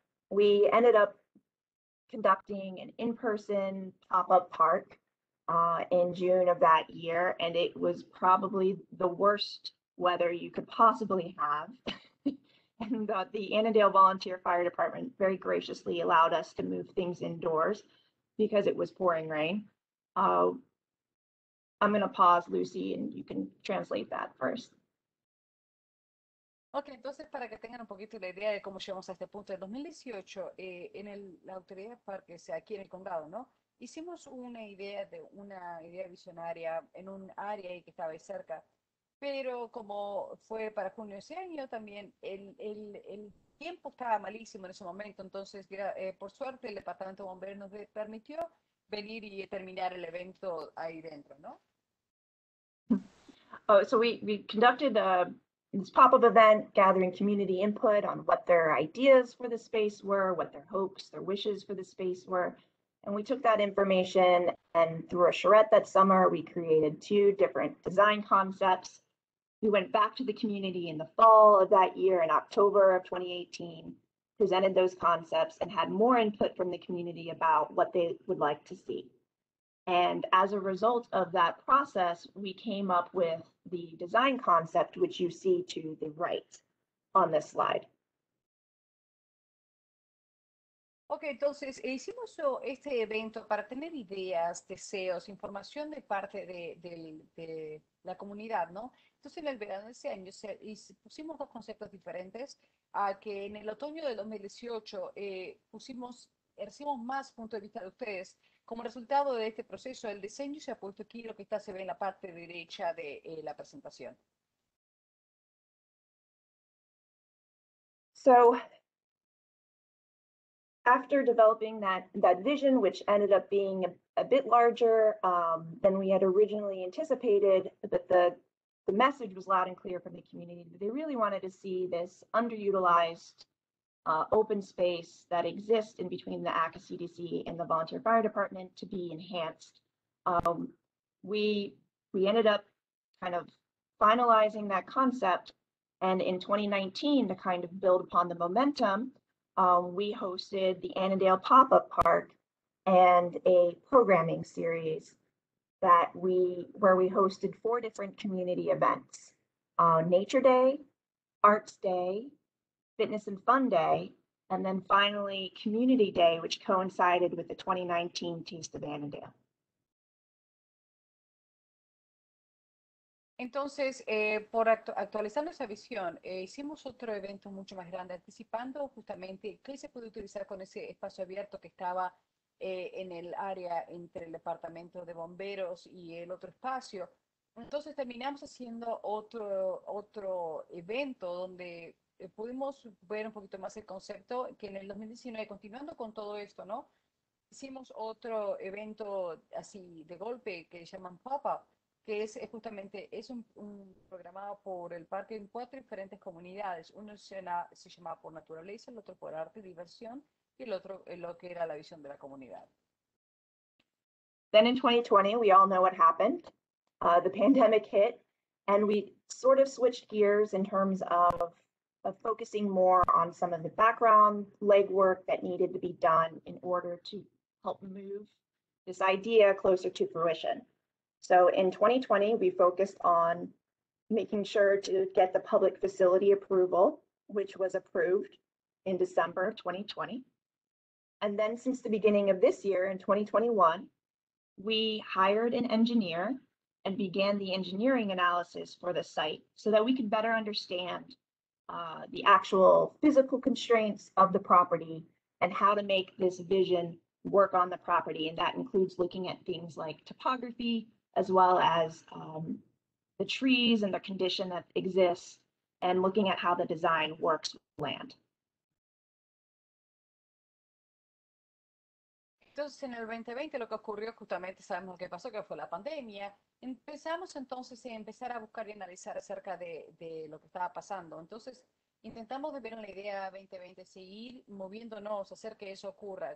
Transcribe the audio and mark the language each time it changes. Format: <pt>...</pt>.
<en>We ended up conducting an in-person pop-up park in June of that year, and it was probably the worst weather you could possibly have. And the Annandale Volunteer Fire Department very graciously allowed us to move things indoors because it was pouring rain. I'm going to pause, Lucy, and you can translate that first.</en> <es>Ok, entonces para que tengan un poquito la idea de cómo llegamos a este punto, en 2018 en la autoridad de parques aquí en el condado, ¿no? Hicimos una idea visionaria en un área que estaba ahí cerca, pero como fue para junio de ese año también, el tiempo estaba malísimo en ese momento, entonces por suerte el Departamento de Bomberos nos permitió venir y terminar el evento ahí dentro, ¿no?</es> <en>Oh, so we conducted a this pop-up event, gathering community input on what their ideas for the space were, what their hopes, their wishes for the space were. And we took that information and through a charrette that summer, we created 2 different design concepts. We went back to the community in the fall of that year, in October of 2018, presented those concepts and had more input from the community about what they would like to see. And as a result of that process, we came up with the design concept, which you see to the right on this slide.</en> <es>Ok, entonces hicimos este evento para tener ideas, deseos, información de parte de la comunidad, ¿no? Entonces, en el verano de ese año pusimos 2 conceptos diferentes, que en el otoño de 2018 recibimos más puntos de vista de ustedes. Como resultado de este proceso, el diseño se ha puesto aquí, lo que está se ve en la parte derecha de la presentación.</es> <en>So, after developing that vision, which ended up being a bit larger than we had originally anticipated, but the message was loud and clear from the community that they really wanted to see this underutilized open space that exists in between the ACA CDC and the Volunteer Fire Department to be enhanced. We ended up kind of finalizing that concept, and in 2019, to kind of build upon the momentum, we hosted the Annandale Pop-Up Park and a programming series where we hosted 4 different community events: Nature Day, Arts Day, Fitness and Fun Day, and then finally Community Day, which coincided with the 2019 Taste of Annandale.</en> <es>Entonces, por actualizar nuestra visión, hicimos otro evento mucho más grande, anticipando justamente qué se puede utilizar con ese espacio abierto que estaba en el área entre el departamento de bomberos y el otro espacio. Entonces, terminamos haciendo otro evento donde pudimos ver un poquito más el concepto, que en el 2019, continuando con todo esto, ¿no? Hicimos otro evento así de golpe que llaman Pop-Up, que es justamente, es un programado por el parque en 4 diferentes comunidades. Uno se llama por naturaleza, el otro por arte y diversión, y el otro lo que era la visión de la comunidad.</es> <en>Then in 2020, we all know what happened. The pandemic hit, and we sort of switched gears in terms of focusing more on some of the background legwork that needed to be done in order to help move this idea closer to fruition. So in 2020, we focused on making sure to get the public facility approval, which was approved in December of 2020. And then since the beginning of this year in 2021, we hired an engineer and began the engineering analysis for the site so that we could better understand the actual physical constraints of the property and how to make this vision work on the property. And that includes looking at things like topography, as well as the trees and the condition that exists, and looking at how the design works with land.</en> <es>Entonces, en el 2020, lo que ocurrió, justamente sabemos lo que pasó, que fue la pandemia. Empezamos entonces a empezar a buscar y analizar acerca de lo que estaba pasando. Entonces, intentamos de ver la idea 2020, seguir moviéndonos, hacer que eso ocurra.</es>